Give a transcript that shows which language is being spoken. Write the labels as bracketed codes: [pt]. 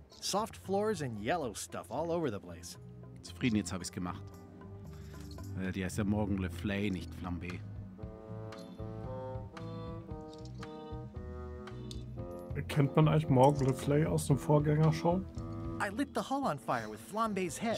[en] Soft floors and yellow stuff all over the place. [de] Zufrieden, jetzt habe ich es gemacht. Die heißt ja morgen Le Flay, nicht Flambé. Kennt man eigentlich Morgan Le Flay aus dem Vorgänger schon? [en] I lit the hull on fire with Flambé's head.